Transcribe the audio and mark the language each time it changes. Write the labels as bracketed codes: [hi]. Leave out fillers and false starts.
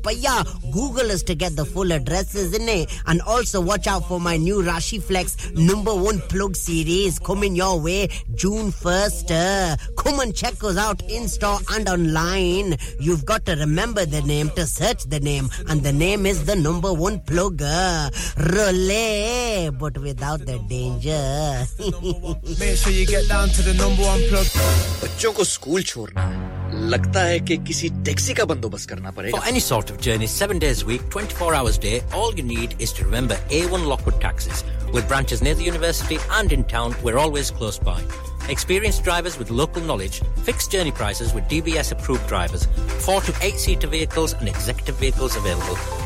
[en] Paya, Google us to get the full addresses, innit? And also watch out for my new Rashi Flex number one plug series coming your way June 1st. Come and check us out in store. stand online, you've got to remember the name to search the name. And the name is the number one plugger. Role, but without the danger. Make sure you get down to the number one plugger. [hi] बच्चों को school छोड़ना है. लगता है कि किसी taxi का बंदोबस्त करना पड़ेगा. [en] For any sort of journey, 7 days a week, 24 hours a day, all you need is to remember A1 Lockwood Taxis. With branches near the university and in town, we're always close by. Experienced drivers with local knowledge, fixed journey prices with DBS approved drivers, 4 to 8-seater vehicles and executive vehicles available.